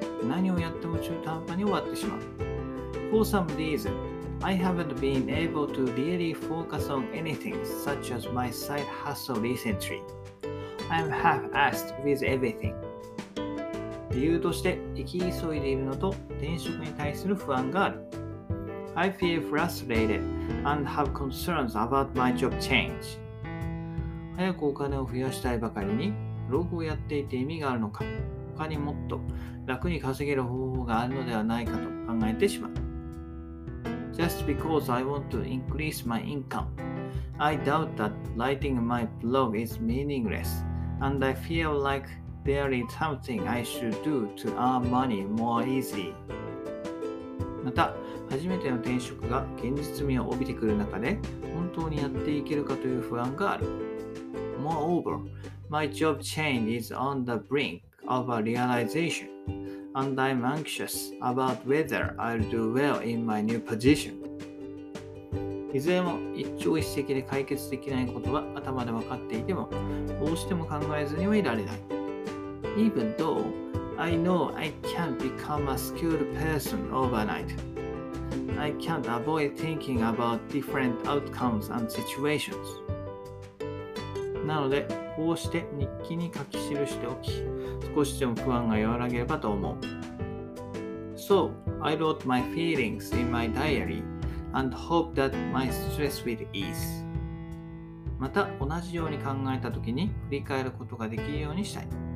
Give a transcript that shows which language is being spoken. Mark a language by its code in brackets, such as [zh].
[ja] 何をやっても中途半端に終わってしまう。 [en] For some reason, I haven't been able to really focus on anything such as my side hustle recently. I'm half-assed with everything. [ja] 理由として、生き急いでいるのと転職に対する不安がある。 [en] I feel frustrated and have concerns about my job change. [ja] 早くお金を増やしたいばかりに、ブログをやっていて意味があるのか、他にもっと楽に稼げる方法があるのではないかと考えてしまう。 [en] Just because I want to increase my income, I doubt that writing my blog is meaningless, and I feel like there is something I should do to earn money more easily. [ja] また、初めての転職が現実味を帯びてくる中で本当にやっていけるかという不安がある。 [en] Moreover, my job change is on the brink of a realization, and I'm anxious about whether I'll do well in my new position. [ja] いずれも一朝一夕で解決できないことは頭で分かっていても、どうしても考えずにはいられない。 [en] Even though I know I can't become a skilled person overnight,I can't avoid thinking about different outcomes and situations. [ja] なので、こうして日記に書き記しておき、少しでも不安が和らげればと思う。 [en] So, I wrote my feelings in my diary and hope that my stress will ease. [ja] また、同じように考えたときに振り返ることができるようにしたい。